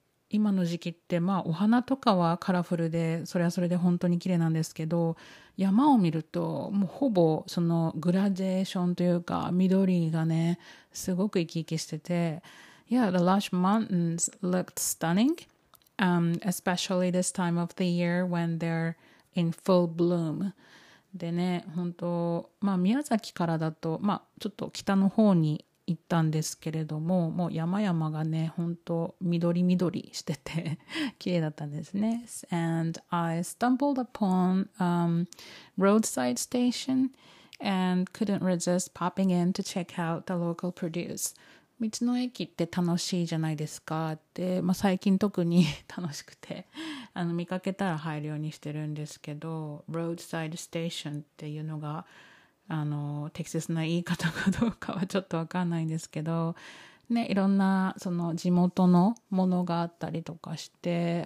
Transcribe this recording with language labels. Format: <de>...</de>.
<ja>今の時期ってまあお花とかはカラフルでそれはそれで本当に綺麗なんですけど、山を見るともうほぼそのグラデーションというか緑がねすごく生き生きしてて、</ja> <en>Yeah, the lush mountains looked stunning、especially this time of the year when they're in full bloom。</en> <ja>でね、本当まあ宮崎からだとまあちょっと北の方に行ったんですけれども、もう山々がね、本当緑緑してて綺麗だったんですね。</ja> <en>And I stumbled upon roadside station and couldn't resist popping in to check out the local produce.</en> <ja>道の駅って楽しいじゃないですか。で、まあ、最近特に楽しくて、見かけたら入るようにしてるんですけど、roadside station っていうのが適切な言い方かどうかはちょっと分かんないんですけど、ね、いろんなその地元のものがあったりとかして、</ja>